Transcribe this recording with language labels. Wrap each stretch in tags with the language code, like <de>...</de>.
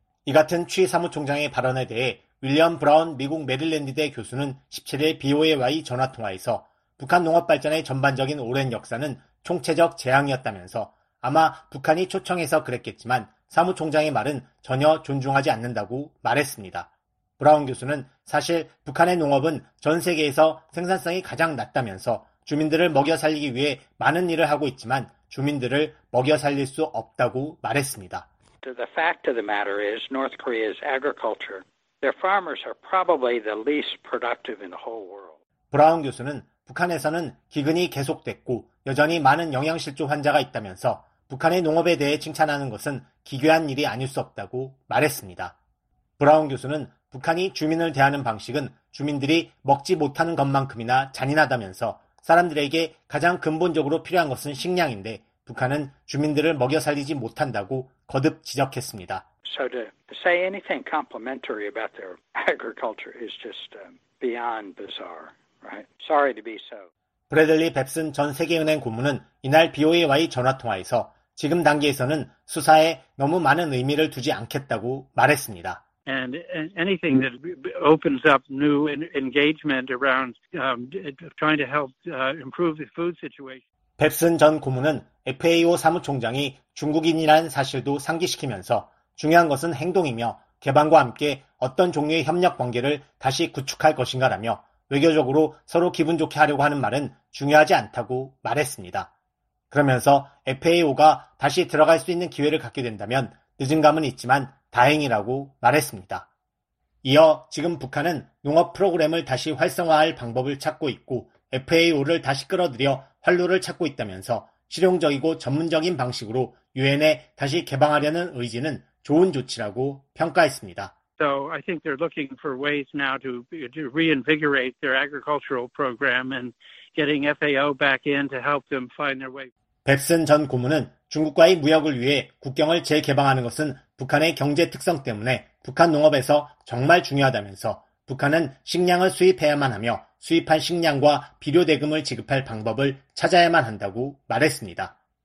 <ko>이 같은 취 사무총장의 발언에 대해 윌리엄 브라운 미국 메릴랜드대 교수는 17일 BOAY 전화통화에서 북한 농업 발전의 전반적인 오랜 역사는 총체적 재앙이었다면서 아마 북한이 초청해서 그랬겠지만 사무총장의 말은 전혀 존중하지 않는다고 말했습니다. 브라운 교수는 사실 북한의 농업은 전 세계에서 생산성이 가장 낮다면서 주민들을 먹여 살리기 위해 많은 일을 하고 있지만 주민들을 먹여 살릴 수 없다고 말했습니다.</ko> <en>The fact of the matter is North Korea's agriculture. Their farmers are probably the least productive in the whole world.</en> <ko>브라운 교수는 북한에서는 기근이 계속됐고 여전히 많은 영양실조 환자가 있다면서 북한의 농업에 대해 칭찬하는 것은 기괴한 일이 아닐 수 없다고 말했습니다. 브라운 교수는 북한이 주민을 대하는 방식은 주민들이 먹지 못하는 것만큼이나 잔인하다면서 사람들에게 가장 근본적으로 필요한 것은 식량인데 북한은 주민들을 먹여 살리지 못한다고 거듭 지적했습니다.</ko> <en>So to say anything complimentary about their agriculture is just beyond bizarre, right? Sorry to be so.</en> <ko>브래들리 뱁슨 전 세계은행 고문은 이날 BOA와의 전화통화에서 지금 단계에서는 수사에 너무 많은 의미를 두지 않겠다고 말했습니다.</ko> <en>And anything that opens up new engagement around trying to help improve the food situation.</en> <ko>뱁슨 전 고문은 FAO 사무총장이 중국인이라는 사실도 상기시키면서 중요한 것은 행동이며 개방과 함께 어떤 종류의 협력 관계를 다시 구축할 것인가라며 외교적으로 서로 기분 좋게 하려고 하는 말은 중요하지 않다고 말했습니다. 그러면서 FAO가 다시 들어갈 수 있는 기회를 갖게 된다면 늦은 감은 있지만 다행이라고 말했습니다. 이어 지금 북한은 농업 프로그램을 다시 활성화할 방법을 찾고 있고 FAO를 다시 끌어들여 활로를 찾고 있다면서 실용적이고 전문적인 방식으로 유엔에 다시 개방하려는 의지는 좋은 조치라고 평가했습니다.</ko> <en>So I think they're looking for ways now to reinvigorate their agricultural program and getting FAO back in to help them find their way.</en> <ko>뱁슨 전 고문은 중국과의 무역을 위해 국경을 재개방하는 것은 북한의 경제 특성 때문에 북한 농업에서 정말 중요하다면서 북한은 식량을 수입해야만 하며 수입한 식량과 비료 대금을 지급할 방법을 찾아야만 한다고 말했습니다.</ko>